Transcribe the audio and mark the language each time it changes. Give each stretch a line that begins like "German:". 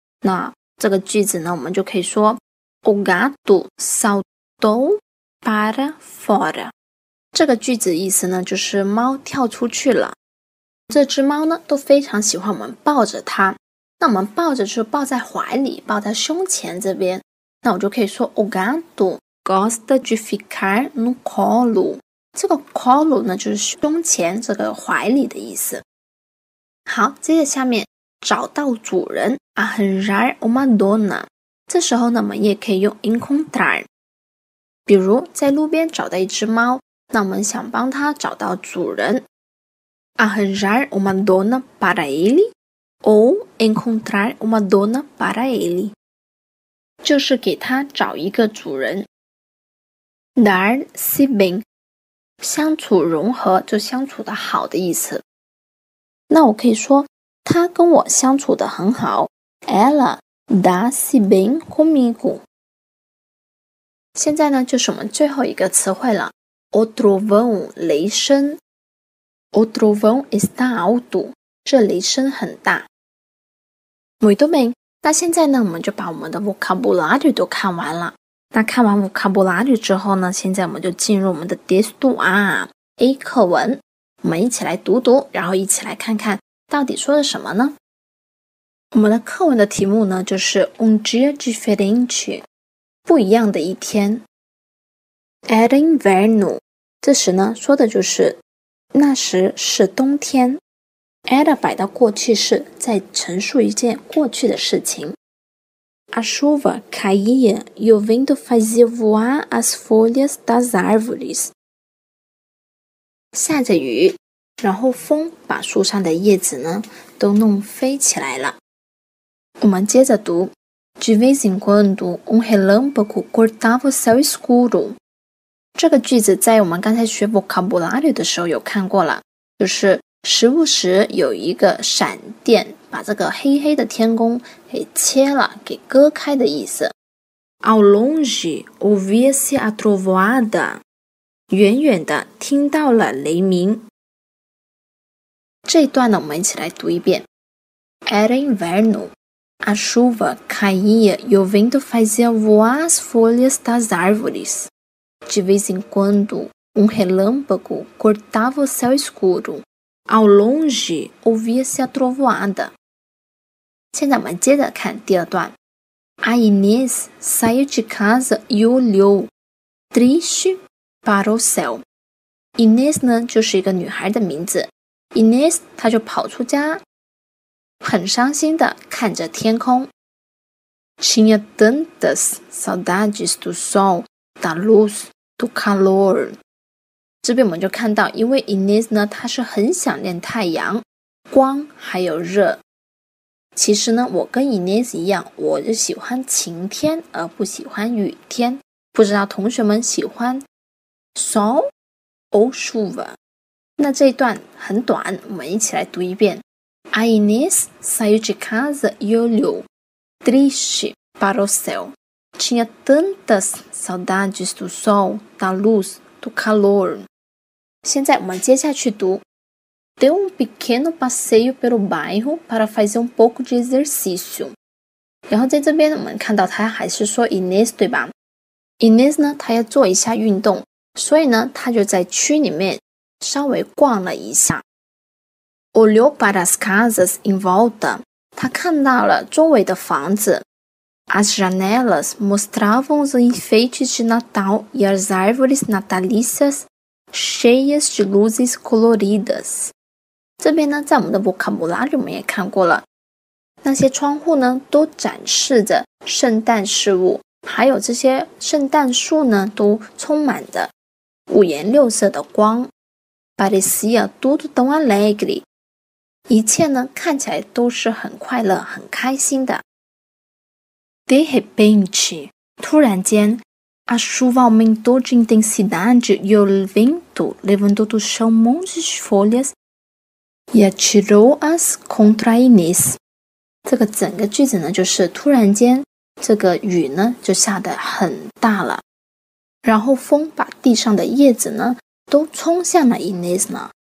Chinese: 那这个句子呢，我们就可以说
Portuguese: O gato saltou para fora。
Chinese: 这个句子意思呢，就是猫跳出去了。这只猫呢，都非常喜欢我们抱着它。那我们抱着就抱在怀里，抱在胸前这边。那我就可以说
Portuguese: O gato gosta de ficar no colo。
Chinese: 这个 colo 呢，就是胸前这个怀里的意思。好，接着下面找到主人 arranjar uma dona。这时候呢，我们也可以用 encontrar。比如在路边找到一只猫。那我们想帮他找到主人
Portuguese: arranjar uma dona para ele
Chinese: ou encontrar uma dona para ele， 就是给他找一个主人。 dar-se bem， 相处融合，就相处的好的意思。那我可以说他跟我相处的很好，
Portuguese: ela dá-se bem comigo。
Chinese: 现在呢，就是我们最后一个词汇了，O trovão， 雷声。
Portuguese: O trovão está alto，
Chinese: 这雷声很大。 Muito bem， 那现在呢，我们就把我们的 vocabulário 都看完了。那看完 vocabulário 之后呢，现在我们就进入我们的 texto A A 课文，我们一起来读读，然后一起来看看到底说的什么呢。我们的课文的题目呢，就是
Portuguese: Um dia diferente，
Chinese: 不一样的一天。
Portuguese: Era inverno，
Chinese: 这时呢说的就是那时是冬天。 Era 摆到过去式，在陈述一件过去的事情。
Portuguese: A chuva caía e o vento fazia voar as folhas das árvores，
Chinese: 下着雨，然后风把树上的叶子呢都弄飞起来了。我们接着读
Portuguese: De vez em quando um relâmpago cortava o céu escuro。
Chinese: 这个句子在我们刚才学 vocabulário 的时候有看过了，就是时不时有一个闪电把这个黑黑的天空给切了，给割开的意思。
Portuguese: Ao longe ouvia-se a trovoada，
Chinese: 远远的听到了雷鸣。这一段呢，我们一起来读一遍。
Portuguese: Era inverno， a chuva caía e o vento fazia voar as folhas das árvoresDe vez em quando, um relâmpago cortava o céu escuro. Ao longe, ouvia-se a trovoada.
Chinese: 现在我们接着看第二段。
Portuguese: A Inês saiu de casa e olhou, triste, para o céu.
Chinese: Inês 呢，就是一个女孩的名字。Inês 她就跑出家，很伤心地看着天空。
Portuguese: Tinha tantas saudades do sol, da luz.
Chinese: Do calor， 这边我们就看到，因为 Inês 呢，她是很想念太阳、光还有热。其实呢，我跟 Inês 一样，我就喜欢晴天而不喜欢雨天。不知道同学们喜欢 sol ou chuva？那这一段很短，我们一起来读一遍。
Portuguese: A Inês saiu de casa e olhou triste para o céu. Tinha tantas saudades do sol, da luz, do calor.
Chinese: 现在我们接下去读。
Portuguese: Deu um pequeno passeio pelo bairro para fazer um pouco de exercício.
Chinese: 然后在这边我们看到他还是说 Inês， 对吧？Inês 呢，他要做一下运动，所以呢，他就在区里面稍微逛了一下。
Portuguese: Olhou para as casas em volta.
Chinese: 他看到了周围的房子。
Portuguese: As janelas mostravam os enfeites de Natal e as árvores natalícias cheias de luzes coloridas.
Chinese: 这边呢，在我们的 vocabulário 我们也看过了，那些窗户呢都展示着圣诞事物，还有这些圣诞树呢都充满着五颜六色的光。
Portuguese: Parecia tudo tão alegre，
Chinese: 一切呢看起来都是很快乐、很开心的。De repente， 突然间
Portuguese: A chuva aumentou de intensidade e o vento levantou do chão montes de folhas e atirou-as contra a Inês.
Chinese: 这个整个句子呢，就是突然间这个雨呢就下得很大了，然后风把地上的叶子呢都冲向了 Inês 呢。